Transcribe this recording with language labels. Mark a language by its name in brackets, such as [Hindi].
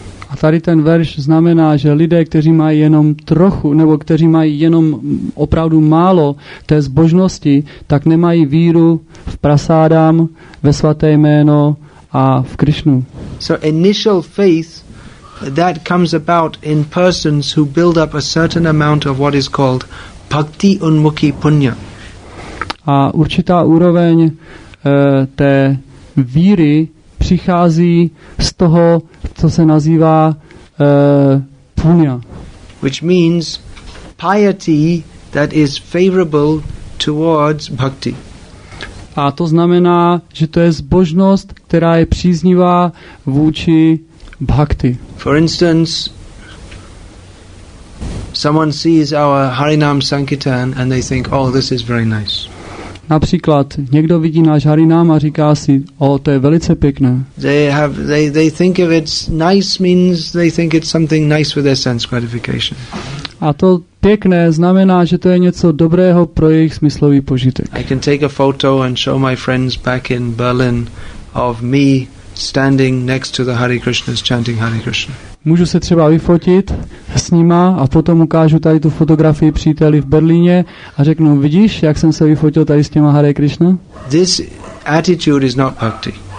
[Czech] A tady ten verš znamená, že lidé, kteří mají jenom trochu, nebo kteří mají jenom opravdu málo té zbožnosti, tak nemají víru v Prasádám, ve svaté jméno a v Krišnu. [English] So initial faith that comes about in persons who build up a certain amount of what is called bhakti unmukhi punya. [Czech] A určitá úroveň té víry přichází z toho, co se nazývá punya. [English] Which means piety that is favorable towards bhakti. [Czech] A to znamená, že to je zbožnost, která je příznivá vůči bhakti. [English] For instance, someone sees our Harinam Sankirtan and they think, oh, this is very nice. [Czech] Například někdo vidí náš Harinam a říká si, o, to je velice pěkné. [English] They think of it nice means they think it's something nice for their sense gratification. [Czech] A to pěkné znamená, že to je něco dobrého pro jejich smyslový požitek. [English] I can take a photo and show my friends back in Berlin of me standing next to the Hare Krishnas chanting Hare Krishna. [Czech] Můžu se třeba vyfotit s nima a potom ukážu tady tu fotografii příteli v Berlíně a řeknu, vidíš, jak jsem se vyfotil tady s těma Hare Krishna? [English] This attitude is not bhakti.